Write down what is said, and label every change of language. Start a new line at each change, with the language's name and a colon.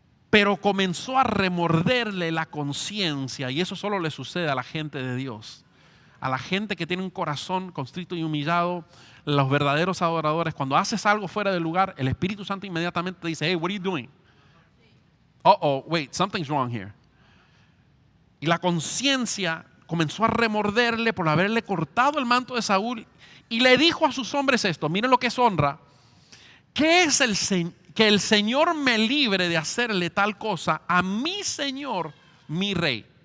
Spanish: Pero comenzó a remorderle la conciencia, y eso solo le sucede a la gente de Dios. A la gente que tiene un corazón constrito y humillado, los verdaderos adoradores, cuando haces algo fuera del lugar, el Espíritu Santo inmediatamente te dice,
English: hey, what are you doing? Uh-oh, wait, something's wrong here.
Spanish: Y la conciencia comenzó a remorderle por haberle cortado el manto de Saúl, y le dijo a sus hombres esto, miren lo que es honra, que el Señor me libre de hacerle tal cosa a mi Señor, mi rey.